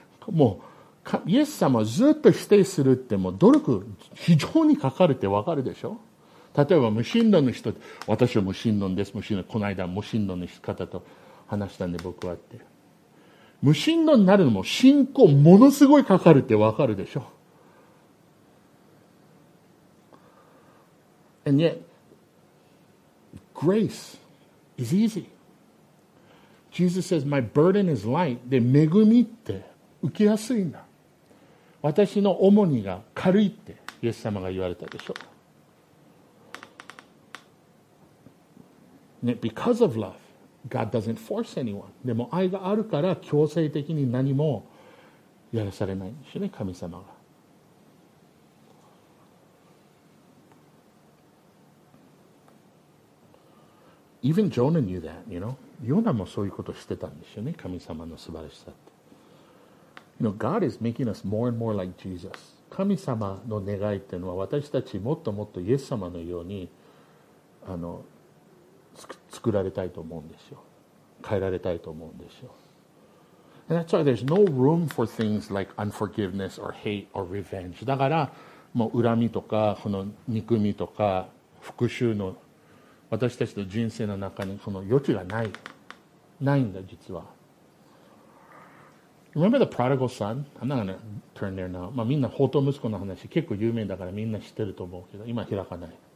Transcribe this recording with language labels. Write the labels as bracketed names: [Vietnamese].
[Japanese] もう、イエス様をずっと否定するっても努力非常にかかるってわかるでしょ例えば無神論の人、私は無神論です、無神論、この間無神論の方と話したんで僕はって。無神論になるのも信仰ものすごいかかるってわかるでしょ。 [English] And yet, grace is easy. Jesus says, my burden is light. [Japanese] で、恵みって受けやすいんだ。私の重荷が軽いって、イエス様が言われたでしょ。 [English] Because of love, God doesn't force anyone. [Japanese] でも愛があるから強制的に何もやらされないんですよね、神様が。 [English] Even Jonah knew that, you know. [Japanese] ヨナもそういうことしてたんですよね、神様の素晴らしさって。 [English] You know, God is making us more and more like Jesus. [Japanese] 神様の願いっていうのは私たちもっともっとイエス様のように作られたいと思うんですよ。変えられたいと思うんですよ。 [English] And that's why there's no room for things like unforgiveness or hate or revenge. [Japanese] だから、もう恨みとか、この憎みとか、復讐の私たちの人生の中にこの余地がない。ないんだ、実は。 [English] Remember the prodigal son? I'm not going to turn there now. [Japanese] まあみんな、放蕩息子の話、結構有名だからみんな知ってると思うけど、今開かない。